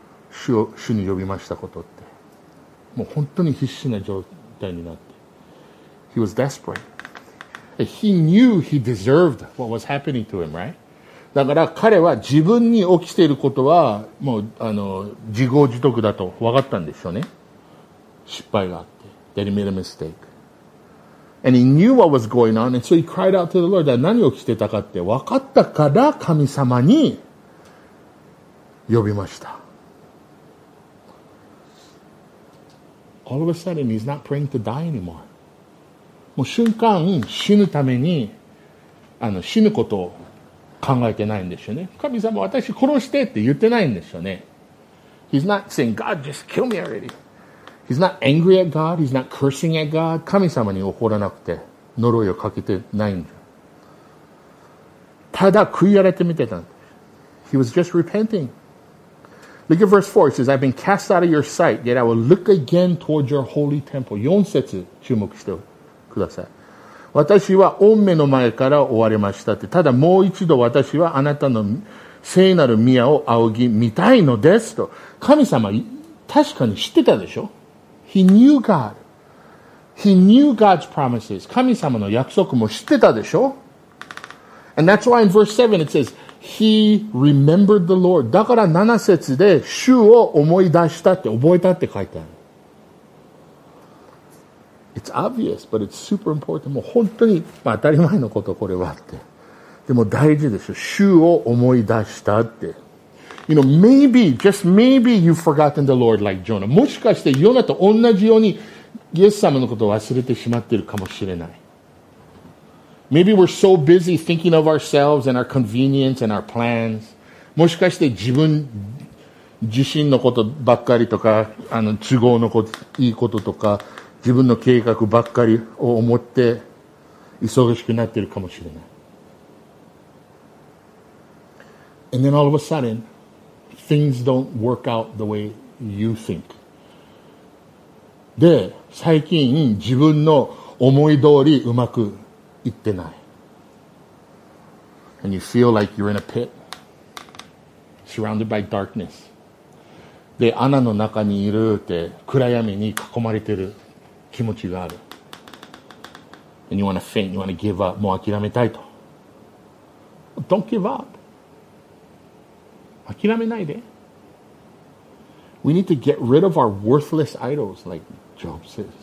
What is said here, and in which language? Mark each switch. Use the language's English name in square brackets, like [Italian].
[Japanese] 主に呼びましたことって、もう本当に必死な状態になって、 [English] He was desperateHe knew he deserved what was happening to him, right? [Japanese] だから彼は自分に起きていることはもう自業自得だと分かったんでしょうね。失敗があって。 [English] That he made a mistake. And he knew what was going on, and so he cried out to the Lord. [Japanese] 何起きてたかって分かったから神様に呼びました。 [English] All of a sudden, he's not praying to die anymore. [Japanese] もう瞬間死ぬために死ぬことを考えてないんですよね。神様、私殺してって言ってないんですよね。 [English] He's not saying, God, just kill me already. He's not angry at God. He's not cursing at God. [Japanese] 神様に怒らなくて呪いをかけてないんだ。ただ悔い改めてみてたんです。 [English] He was just repenting. Look at verse 4. It says, I've been cast out of your sight, yet I will look again toward your holy temple. [Japanese] 4節注目してください。私は御目の前から追われましたって、ただもう一度私はあなたの聖なる宮を仰ぎ見たいのですと。神様確かに知ってたでしょ。 [English] He knew God. He knew God's promises. [Japanese] 神様の約束も知ってたでしょ。 [English] And that's why in verse 7 it says He remembered the Lord. [Japanese] だから7節で主を思い出したって、覚えたって書いてある。 [English] It's obvious, but it's super important. [Japanese] もう本当に、まあ、当たり前のこと、これはって。でも大事ですよ。主を思い出したって。 [English] You know, maybe, just maybe you've forgotten the Lord like Jonah. [Japanese] もしかしてヨナと同じようにイエス様のことを忘れてしまっているかもしれない。 [English] Maybe we're so busy thinking of ourselves and our convenience and our plans. [Japanese] もしかして自分自身のことばっかりとか、あの都合のこと、いいこととか、自分の計画ばっかりを思って忙しくなっているかもしれない。 [English] And then all of a sudden, things don't work out the way you think. [Japanese] で、最近自分の思い通りうまくいってない。 [English] And you feel like you're in a pit, surrounded by darkness. [Japanese] で、穴の中にいるって、暗闇に囲まれてる。気持ちがある。 [English] And you wanna faint, you wanna give up, [Japanese] もう諦めたいと。 [English] Don't give up. [Japanese] 諦めないで。 [English] We need to get rid of our worthless idols, like Job says.